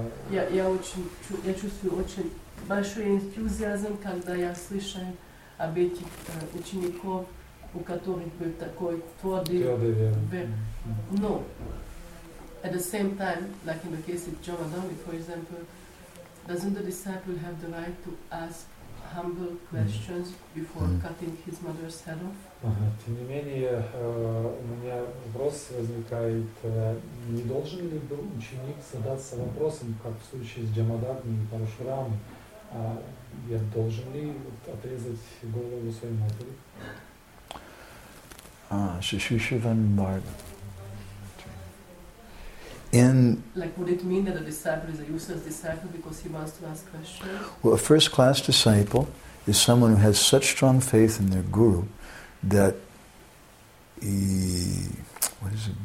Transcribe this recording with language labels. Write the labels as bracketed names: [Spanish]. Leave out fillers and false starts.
[Russian] Я чувствую очень большой энтузиазм, когда я слышу об этих учеников, у которых был такой твердый вера. Но, [English] at the same time, like in the case of Jonathan, for example, doesn't the disciple have the right to ask humble questions before cutting his mother's head off? [Russian] Тем не менее, у меня вопрос возникает, не должен ли был ученик задаться вопросом, как в случае с Джамадагни и Парашурамой, а я должен ли отрезать голову своей матери? Шишишивандарда. [English] Like, would it mean that a disciple is a useless disciple because he wants to ask questions? Well, a first-class disciple is someone who has such strong faith in their guru that he, what is it?